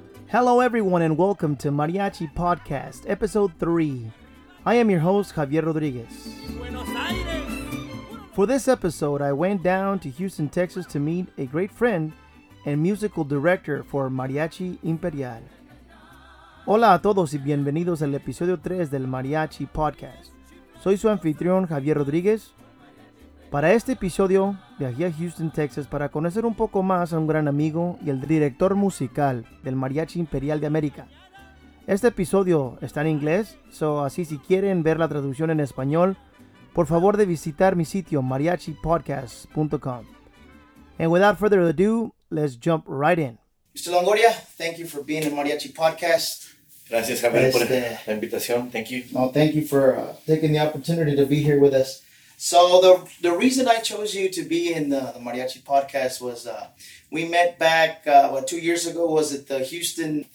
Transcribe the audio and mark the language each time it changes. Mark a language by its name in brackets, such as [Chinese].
[English] Hello everyone and welcome to Mariachi Podcast, Episode 3. I am your host, Javier Rodriguez. Buenos Aires. For this episode, I went down to Houston, Texas to meet a great friend and musical director for Mariachi Imperial. [Spanish] Hola a todos y bienvenidos al Episodio 3 del Mariachi Podcast. Soy su anfitrión, Javier Rodriguez. Para este episodio, viajé a Houston, Texas para conocer un poco más a un gran amigo y el director musical del Mariachi Imperial de América. Este episodio está en inglés, así si quieren ver la traducción en español, por favor de visitar mi sitio mariachipodcast.com. [English] And without further ado, let's jump right in. Mr. Longoria, thank you for being in Mariachi Podcast. [Spanish] Gracias, Javier, por la invitación. [English] Thank you. No, thank you for taking the opportunity to be here with us. So the reason I chose you to be in the Mariachi Podcast was we met back, 2 years ago, was it the Houston